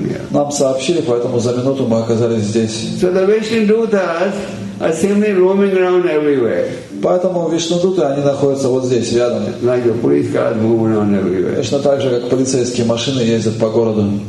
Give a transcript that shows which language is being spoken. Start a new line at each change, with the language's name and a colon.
Russian: Нам сообщили, поэтому за минуту мы оказались здесь.
English: So the Vishnudutas are simply roaming around everywhere.
Russian: Поэтому Вишнудуты, они находятся вот здесь, рядом.
English: Like the police cars moving around everywhere.
Russian: Точно так же, как полицейские машины ездят по городу.